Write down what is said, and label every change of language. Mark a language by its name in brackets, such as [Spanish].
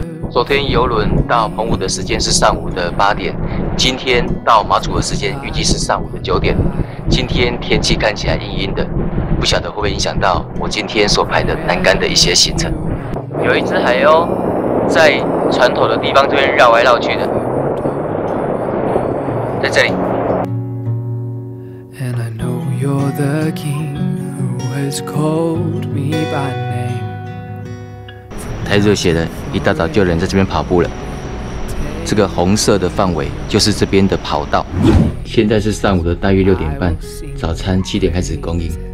[Chinese] 昨天游轮到澎湖的时间是上午8点，今天到马祖的时间预计是上午9点。今天天气看起来阴阴的，不晓得会不会影响到我今天所排的南竿的一些行程。有一只海鸥在船头的地方这边绕来绕去的，在这里。 [English] And I know you're the king who has called me by name。 [Chinese] 太热血了，一大早就有人在这边跑步了。这个红色的范围就是这边的跑道。现在是上午的大约6:30，早餐7点开始供应。